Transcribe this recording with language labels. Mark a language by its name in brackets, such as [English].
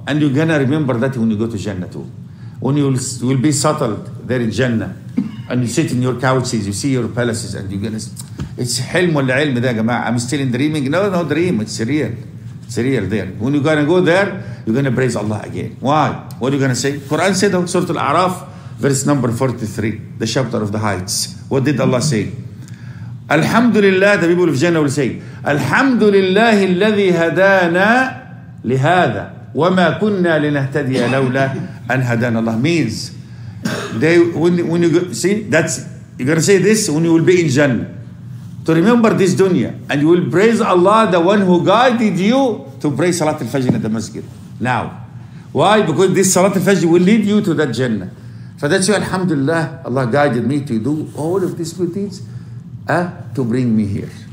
[English] And you're gonna remember that when you go to Jannah too. When you will be settled there in Jannah and you sit in your couches, you see your palaces and you're gonna say, it's [Arabic] حلم ولا علم ده يا جماعة. [English] I'm still in dreaming. No dream, it's real. It's real there. When you're gonna go there, you're gonna praise Allah again. Why? What are you gonna say? Quran said in Surah Al-A'raf, verse number 43, the chapter of the heights. What did Allah say? Alhamdulillah, the people of Jannah will say, Alhamdulillah [Arabic] الذي هدانا لهذا وما كنا لنهتدي لولا أن هدانا الله. [English] Means they, when you go, see, that's, you're gonna say this when you will be in Jannah to remember this dunya, and you will praise Allah, the one who guided you to pray Salat al-Fajr in the Masjid now. Why? Because this Salat al-Fajr will lead you to that Jannah. So that's why Alhamdulillah, Allah guided me to do all of these good deeds to bring me here.